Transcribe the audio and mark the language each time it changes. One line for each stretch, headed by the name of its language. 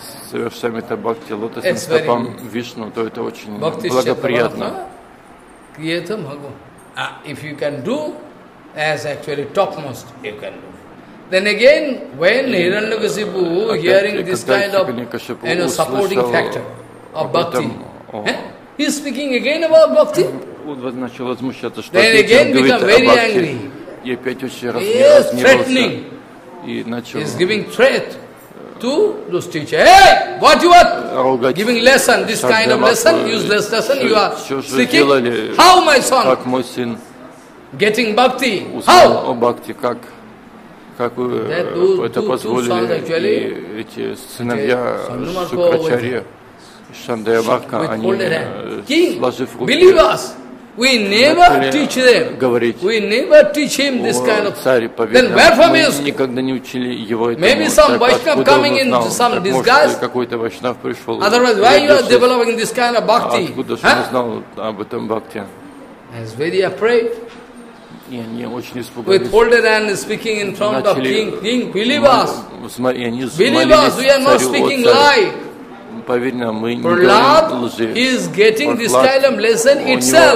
Russian: совершаем это бхакти лотосным стопам Вишну, то это очень благоприятно.
English: If you can do, as actually topmost, you can do. Then again, when Hiranyakashipu hearing this kind of, you know, supporting factor, of bhakti. He is speaking again about bhakti.
Russian: Начал возмущаться, что
English: then again become very angry.
Russian: И опять очень threatening. И начал.
English: He is giving threat to those teachers. Hey, what you are giving lesson? This kind of lesson, useless lesson. You are speaking. How my son?
Russian: Как мой сын?
English: Getting bhakti? How?
Russian: О бхакти как? Как вы это позволили? И эти сыновья Шукрачарья. Шандаябхака, они, сложив руки,
English: believe us, we never teach them.
Russian: Говорить,
English: we never teach him this kind of. Then where from is?
Russian: Никогда не учили его этому.
English: Maybe some Vaishnav coming in some disguise.
Russian: Какой-то Вайшнав пришел.
English: Otherwise, why you are developing this kind of bhakti?
Russian: Откуда же он знал об этом бхакти?
English: He's very afraid.
Russian: И они очень испугались.
English: With folded hand speaking in front of king, king, believe us. Believe us, we are not speaking lie.
Russian: Поверь нам, мы не
English: Прахлад
Russian: говорим лжи.
English: Is getting this kind of lesson itself.